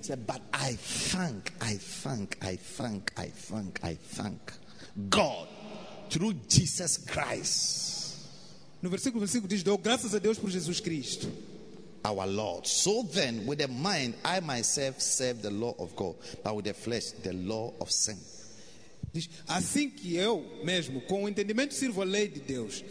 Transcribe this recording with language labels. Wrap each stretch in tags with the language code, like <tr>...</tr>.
<en>said, but I thank God through Jesus Christ.</en> <pt>No versículo 25 diz, dou graças a Deus por Jesus Cristo.</pt> <en>Our Lord. So then, with the mind, I myself serve the law of God, but with the flesh, the law of sin.</en> <pt>Diz, assim que eu mesmo, com o entendimento, sirvo a lei de Deus,</pt>